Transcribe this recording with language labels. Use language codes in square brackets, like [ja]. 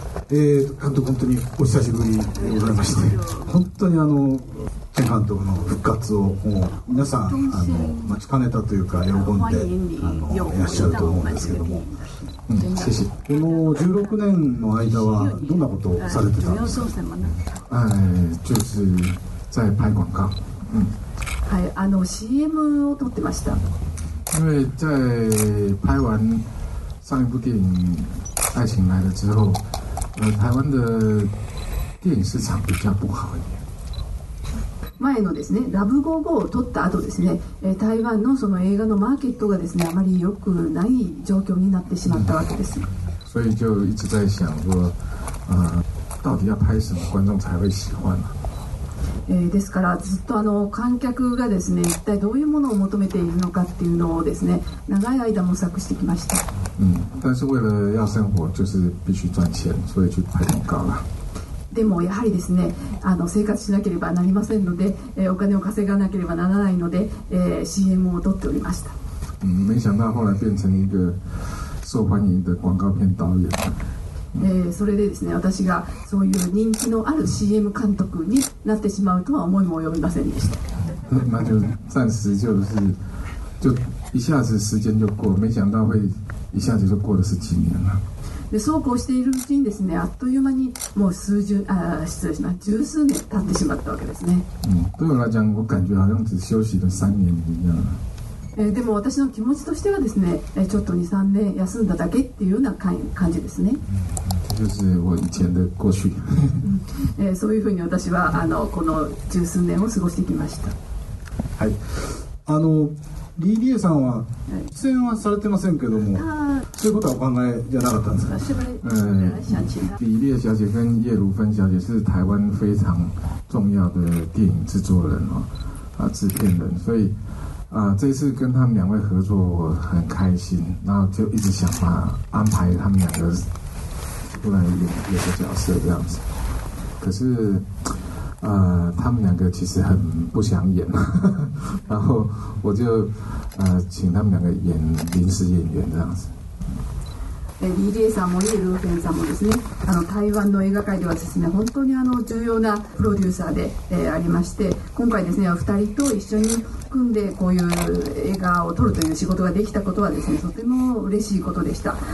[ja] 監督本当にお久しぶりでございまして、本当にチェン監督の復活をもう皆さん待ちかねたというか喜んでいらっしゃると思うんですけども、先生この16年の間はどんなことをされてたんですか。 [zh] 就是在拍广告。 [ja] はい、CM を撮ってました。 [zh] 因为在拍完上一部电影《爱情来了》之后，台湾的电影市场比较不好一点。 [ja] 前のですね、ラブゴーゴーを撮った後ですね、台湾のその映画のマーケットがですね、あまり良くない状況になってしまったわけです。 [zh] 所以就一直在想说，到底要拍什么，观众才会喜欢呢？ [ja] ですからずっと観客がですね一体どういうものを求めているのかっていうのをですね長い間模索してきました。 [zh] 但是为了要生活就是必须赚钱，所以去拍广告了。 [ja] でもやはりですね生活しなければなりませんので、お金を稼がなければならないので、CM を撮っておりました。 [zh] 没想到后来变成一个受欢迎的广告片导演。 [ja] それでですね私がそういう人気のある CM 監督になってしまうとは思いも及びませんでした。 [zh] 那就暂时就是就一下子时间就过，没想到会一下子就过了十几年了。 [ja] でそうこうしているうちにですねあっという間にもう十数年経ってしまったわけですね。 [zh] 对我来讲我感觉好像只休息了三年一样。 [ja] でも私の気持ちとしてはですね、ちょっと 2,3 年休んだだけっていうような感じですね。 [zh] 就是我以前的过去。 [ja] そういうふうに私はこの十数年を過ごしてきました。はい。リー・リエさんは出演はされてませんけども、そういうことはお考えじゃなかったんですか。 [zh] リー・リエ小姐跟叶如芬小姐是台湾非常重要的电影制作人制片人，所以。这次跟他们两位合作我很开心，然后就一直想把安排他们两个出来演一个角色这样子，可是他们两个其实很不想演，然后我就请他们两个演临时演员这样子。 [ja] 李里恵さんも葉如芬さんもですね、台湾の映画界ではですね、本当に重要なプロデューサーで、ありまして、今回ですね、2人と一緒に組んでこういう映画を撮るという仕事ができたことはですね、とても嬉しいことでした。